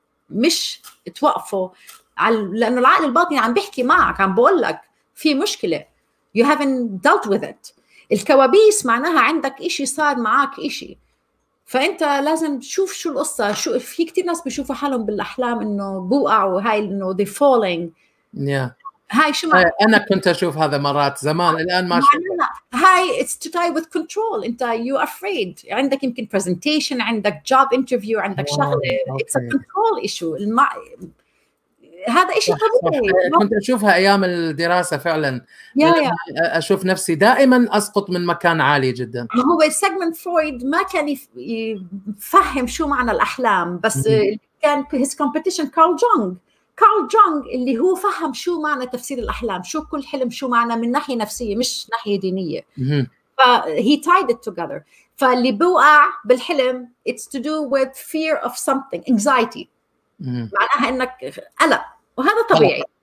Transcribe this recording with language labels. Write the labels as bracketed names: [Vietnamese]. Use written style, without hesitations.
[Arabic] مش توقفه لأنه العقل الباطني عم بيحكي معك عم بقول لك في مشكلة [English] you haven't dealt with it [Arabic] الكوابيس معناها عندك إشي صار معك إشي فأنت لازم تشوف شو القصة شو في كتير ناس بيشوفوا حالهم بالأحلام إنه بوقع وهاي إنه [English] they falling yeah. [Arabic] هاي شو ما أنا كنت أشوف هذا مرات زمان الآن ما [English] هاي it's to tie with control أنت you afraid [Arabic] عندك يمكن [English] presentation عندك job interview عندك wow. شغلة okay. it's a control issue [Arabic] هذا إشي طبيعي كنت أشوفها أيام الدراسة فعلا أشوف نفسي دائما أسقط من مكان عالي جدا هو سيجمند فرويد ما كان يفهم شو معنى الأحلام بس كان [English] his competition [Arabic] كارل جونغ اللي هو فهم شو معنى تفسير الأحلام شو كل حلم شو معنى من ناحية نفسية مش ناحية دينية فهي [English] tied it together [Arabic] فاللي بوقع بالحلم [English] it's to do with fear of something anxiety [Arabic] معناها إنك قلق وهذا طبيعي